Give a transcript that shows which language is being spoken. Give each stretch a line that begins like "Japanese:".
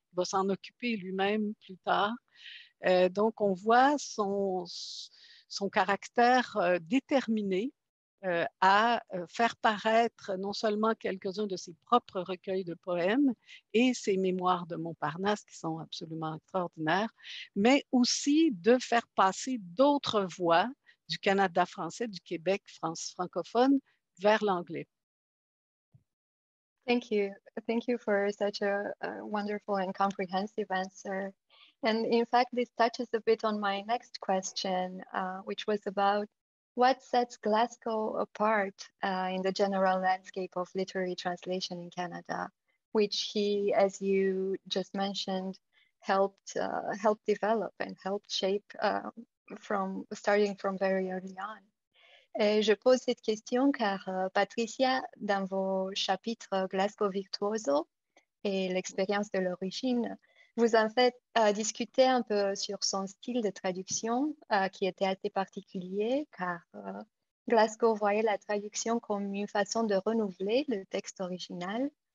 French: Il va s'en occuper lui-même plus tard. Donc, on voit son caractère déterminé à faire paraître non seulement quelques-uns de ses propres recueils de poèmes et ses mémoires de Montparnasse, qui sont absolument extraordinaires, mais aussi de faire passer d'autres voix du Canada français, du Québec francophone, vers l'anglais.
English: Thank you. Thank you for such a wonderful and comprehensive answer. And in fact, this touches a bit on my next question, which was about what sets Glassco apart in the general landscape of literary translation in Canada, which he, as you just mentioned, helped develop and helped shape starting from very early on.
French: Et je pose cette question car, Patricia, dans vos chapitres Glassco Virtuoso et l'expérience de l'origine, vous en faites discuter un peu sur son style de traduction qui était assez particulier car Glassco voyait la traduction comme une façon de renouveler le texte original.